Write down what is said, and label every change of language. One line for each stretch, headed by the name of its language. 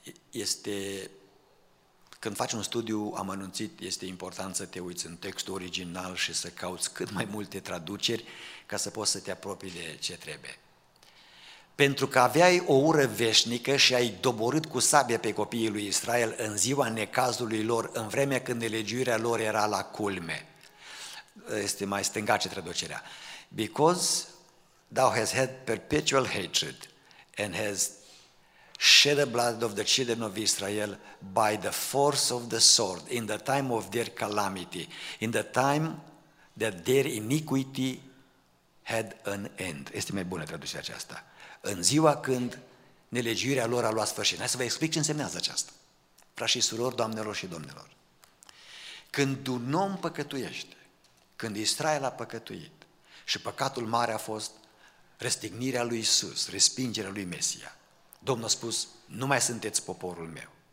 Romanian: Este... Când faci un studiu amănunțit, este important să te uiți în textul original și să cauți cât mai multe traduceri ca să poți să te apropii de ce trebuie. Pentru că aveai o ură veșnică și ai doborât cu sabia pe copiii lui Israel în ziua necazului lor, în vremea când nelegiuirea lor era la culme. Este mai stângace traducerea.
English: Because thou hast had perpetual hatred and has shed the blood of the children of Israel by the force of the sword in the time of their calamity, in the time that their iniquity had an end.
Romanian: Este mai bună traducerea aceasta. În ziua când nelegiuirea lor a luat sfârșit. Hai să vă explic ce însemnează aceasta. Frați și surori, doamnelor și domnilor. Când un om păcătuiește, când Israel a păcătuit și păcatul mare a fost răstignirea lui Iisus, respingerea lui Mesia, Domnul a spus, nu mai sunteți poporul meu.